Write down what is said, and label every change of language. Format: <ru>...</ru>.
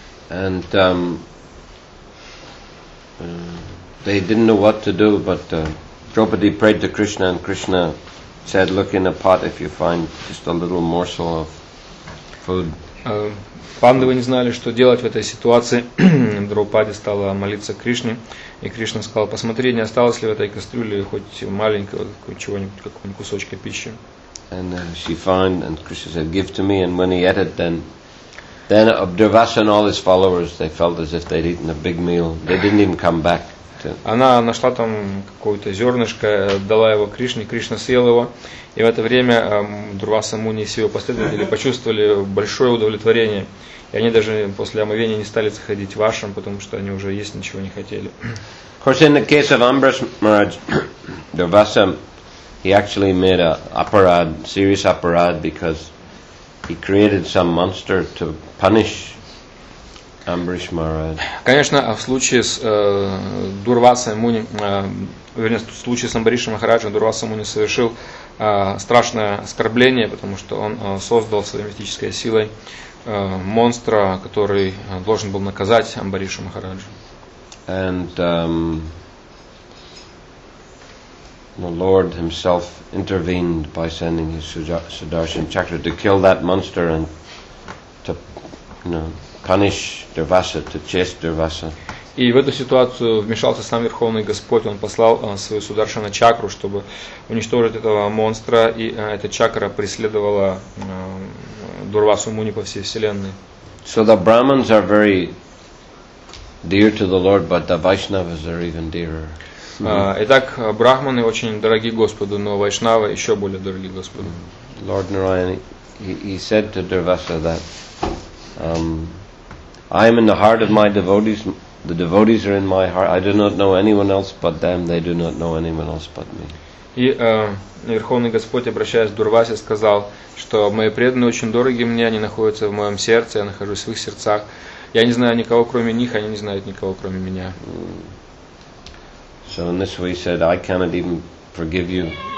<en>And they didn't know what to do, but Draupadi prayed to Krishna, and Krishna said, "Look in a pot if you find just a little morsel of food."</en> <ru>Пандавы не знали, что делать в этой ситуации. Драупади стала молиться Кришне, и Кришна сказал: "Посмотри, не осталось ли в этой кастрюле хоть маленького чего-нибудь, какого-нибудь кусочка пищи?"</ru> <en>And she found, and Krishna said, "Give to me." And when he ate it, then Durvasa and all his followers, they felt as if they'd eaten a big meal. They didn't even come back.</en> <ru>Она нашла там какое-то зернышко, дала его Кришне, Кришна съел его, и в это время Дурваса Муни и его последователи почувствовали большое удовлетворение, и они даже после омовения не стали заходить в ашрам, потому что они уже есть ничего не хотели.</ru> <en>Of course, in the case of Ambarish Maharaj, Durvasa, he actually made a serious aparad, because he created some monster to punish Ambarish Maharaj.</en> <ru>Конечно, в случае с Дурвасой Муни, вернее, в случае с Амбаришем Махараджем, Дурваса Муни совершил страшное оскорбление, потому что он создал своей мистической силой монстра, который должен был наказать Амбариша Махараджа.</ru> <en>And the Lord himself intervened by sending his Sudarshan Chakra to kill that monster and to, you know, punish Durvasa, to chase Durvasa.</en> <ru>И в эту ситуацию вмешался сам Верховный Господь. Он послал свою Сударшана Чакру, чтобы уничтожить этого монстра, и эта чакра преследовала Дурвасу Муни по всей вселенной.</ru> <en>So the Brahmins are very dear to the Lord, but the Vaishnavas are even dearer.</en> <ru>Итак, брахманы очень дороги Господу, но вайшнавы еще более дороги Господу.</ru> <en>Lord Narayana, he said to Durvasa that I am in the heart of my devotees. The devotees are in my heart. I do not know anyone else but them. They do not know anyone else but me.</en> <ru>И Верховный Господь, обращаясь к Дурвасе, сказал, что мои преданные очень дороги мне, они находятся в моем сердце, я нахожусь в их сердцах. Я не знаю никого, кроме них, они не знают никого, кроме меня.</ru> <en>So in this way he said, I cannot even forgive you.</en>